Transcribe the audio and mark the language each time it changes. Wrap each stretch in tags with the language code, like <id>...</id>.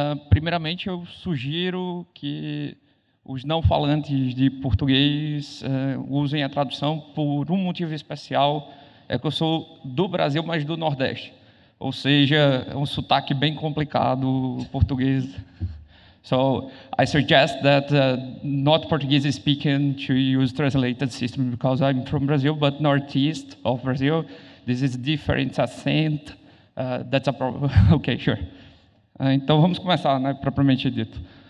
<pt>Primeiramente, eu sugiro que os não falantes de português usem a tradução por um motivo especial, é que eu sou do Brasil, mas do Nordeste. Ou seja, é um sotaque bem complicado, português.</pt> <en>So, I suggest that not Portuguese speaking to use translated system because I'm from Brazil, but northeast of Brazil, this is different accent. That's a problem. Okay, sure.</en> <pt>Então vamos começar, né, propriamente dito.</pt>